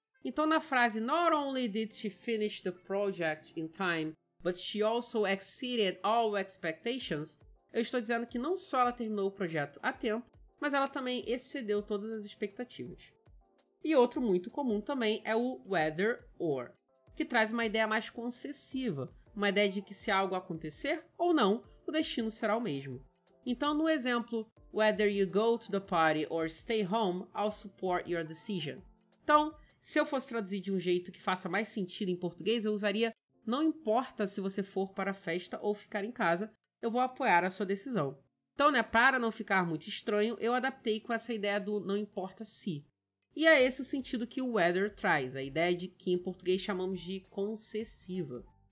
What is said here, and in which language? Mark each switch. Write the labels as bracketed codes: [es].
[pt] Então, na frase [en] not only did she finish the project in time, but she also exceeded all expectations, [pt] eu estou dizendo que não só ela terminou o projeto a tempo, mas ela também excedeu todas as expectativas. E outro muito comum também é o whether or, que traz uma ideia mais concessiva, uma ideia de que se algo acontecer ou não, o destino será o mesmo. Então, no exemplo, [en] whether you go to the party or stay home, I'll support your decision. [pt] Então, se eu fosse traduzir de um jeito que faça mais sentido em português, eu usaria não importa se você for para a festa ou ficar em casa, eu vou apoiar a sua decisão. Então, né, para não ficar muito estranho, eu adaptei com essa ideia do não importa se. E é esse o sentido que o whether traz, a ideia de que em português chamamos de concessiva.